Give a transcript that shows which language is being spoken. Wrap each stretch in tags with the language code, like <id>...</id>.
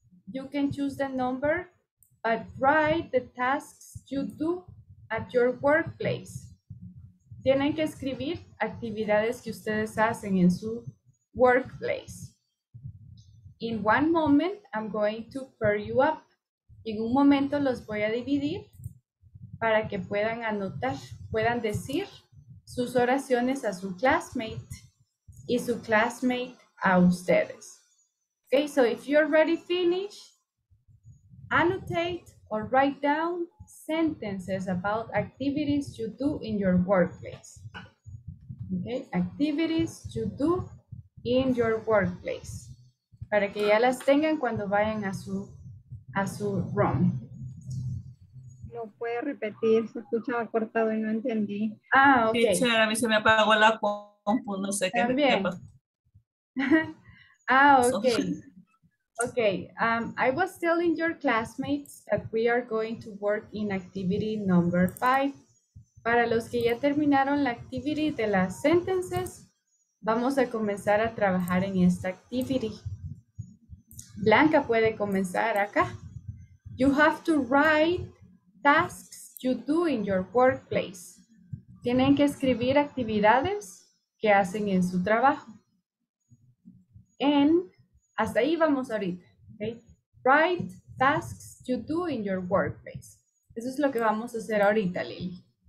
<en>You can choose the number. But write the tasks you do at your workplace.</en> <es>Tienen que escribir actividades que ustedes hacen en su workplace.</es> <en>In one moment, I'm going to pair you up.</en> <es>En un momento los voy a dividir para que puedan anotar, puedan decir sus oraciones a su classmate y su classmate a ustedes.</es> <en>Okay, so if you're ready, finish. Annotate or write down sentences about activities you do in your workplace. Okay, activities you do in your workplace.</en> <es>Para que ya las tengan cuando vayan a su room. No puedo repetir, se escuchaba cortado y no entendí. Ah, okay. Teacher, a mí se me apagó la compu, no sé qué. También. Ah, okay.</es> <en>Okay, I was telling your classmates that we are going to work in activity number 5.</en> <es>Para los que ya terminaron la activity de las sentences, vamos a comenzar a trabajar en esta activity. Blanca puede comenzar acá.</es> <en>You have to write tasks you do in your workplace. Ok,</en> <es>Tienen que escribir actividades que hacen en su trabajo. Hasta ahí vamos ahorita.</es> <en>Okay? Write tasks to do in your workplace.</en> <es>Eso es lo que vamos a hacer ahorita, Lily.</es>